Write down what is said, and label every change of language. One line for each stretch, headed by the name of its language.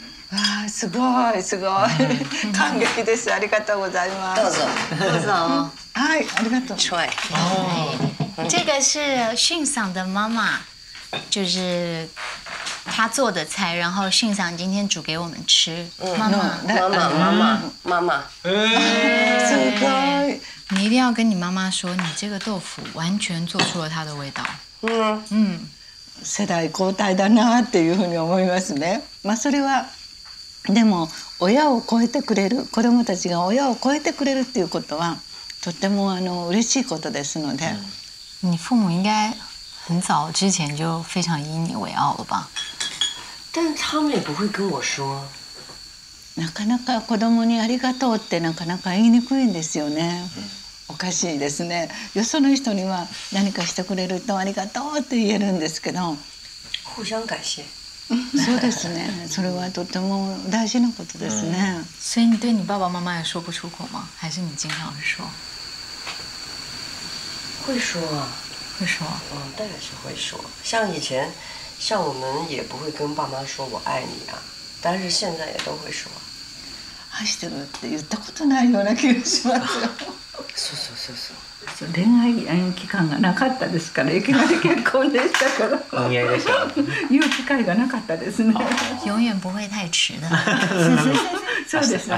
Japanese: 啊，すごいすごい，感激です。ありがとうございます。どうぞどうぞ。はい、ありがとう。
English: Try。
Chinese: 这个是迅嗓的妈妈，就是她做的菜，然后迅嗓今天煮给我们吃。妈妈。真可爱！你一定要跟你妈妈说，你这个豆腐完全做出了它的味道。
Japanese: 世代交代だなっていうふうに思いますね。まあそれはでも親を超えてくれる子供たちが親を超えてくれるっていうことはとてもあの嬉しいことですので。
Chinese: 你父母应该很早之前就非常以你为傲了吧？但他们也不会跟我说。
Japanese: なかなか子供にありがとうってなかなか言いにくいんですよね。おかしいですね。よその人には何かしてくれるとありがとうって言えるんですけど、
Chinese: 互相感謝。
Japanese: そうですね。それはとても大事なことですね。
Chinese: 所以你对你爸爸妈妈也说不出口吗？还是你经常说？会说啊，会说。当然是会说。像以前，像我们也不会跟爸妈说我爱你啊，但是现在也都会说。
Japanese: 愛してるって言ったことないような気がしますよ。そうそうそうそう。恋愛期間がなかったですから、いきなり結婚でしたから。お見合いでした。言う機会がなかったですね。
Chinese: 永遠不会太迟的。
Japanese: そうですね。